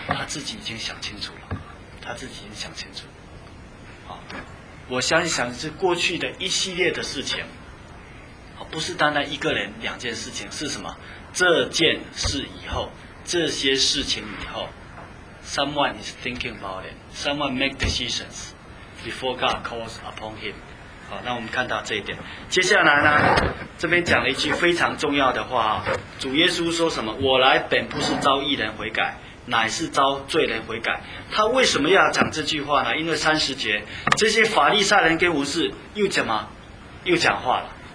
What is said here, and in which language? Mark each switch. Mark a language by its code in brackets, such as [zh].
[zh] 他自己已经想清楚了，他自己已经想清楚了。我相信想是过去的一系列的事情，不是单单一个人两件事情，是什么？这件事以后，这些事情以后， [en] Someone is thinking about it. Someone make decisions before God calls upon him. [zh] 好，那我们看到这一点。接下来呢，这边讲了一句非常重要的话，主耶稣说什么？我来本不是招义人悔改，乃是招罪人悔改。他为什么要讲这句话呢？因为三十节，这些法利赛人跟文士又怎么又讲话了。